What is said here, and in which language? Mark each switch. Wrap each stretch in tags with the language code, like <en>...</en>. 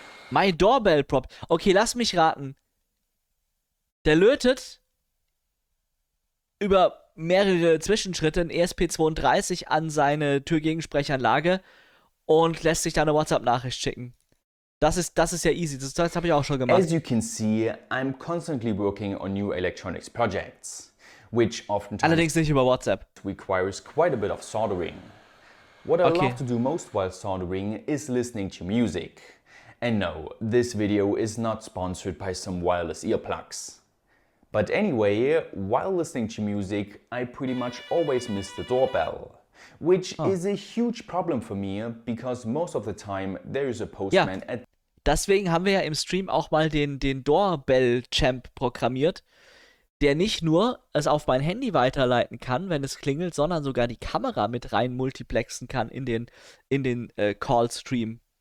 <en>My doorbell prop.</en> <de>Okay, lass mich raten. Der lötet über mehrere Zwischenschritte in ESP32 an seine Türgegensprechanlage und lässt sich dann eine WhatsApp-Nachricht schicken. Das ist ja easy. Das habe ich auch schon gemacht.</de> <en>As you can see, I'm constantly working on new electronics projects, which oftentimes</en> <de>allerdings nicht über WhatsApp</de> <en>requires quite a bit of soldering. What I okay. love to do most while soldering is listening to music. And no, this video is not sponsored by some wireless earplugs. But anyway, while listening to music, I pretty much always miss the doorbell. Which is a huge problem for me, because most of the time there is a postman at.</en> <de>Deswegen haben wir ja im Stream auch mal den Doorbell-Champ programmiert, der nicht nur es auf mein Handy weiterleiten kann, wenn es klingelt, sondern sogar die Kamera mit rein multiplexen kann in den Call-Stream.</de>